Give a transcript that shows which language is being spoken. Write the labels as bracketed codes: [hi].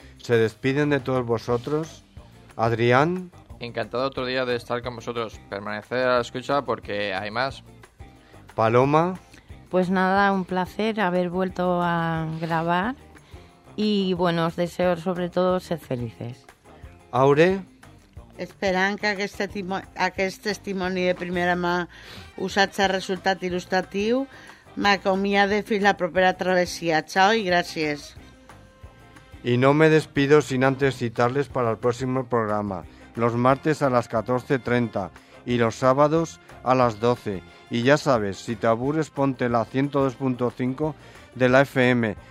[es] Se despiden de todos vosotros. Adrián. Encantado otro día de estar con vosotros. Permanecer a la escucha porque hay más. Paloma. Pues nada, un placer haber vuelto a grabar. Y bueno, os deseo sobre todo ser felices. Aure. [ca] Esperan que aquest testimoni de primera mà us hagi resultat il·lustratiu. M'acomiado fins la propera travessia. [es] Chao y gracias. Y no me despido sin antes citarles para el próximo programa, los martes a las 14:30 y los sábados a las 12. Y ya sabes, si te aburres, ponte la 102.5 de la FM.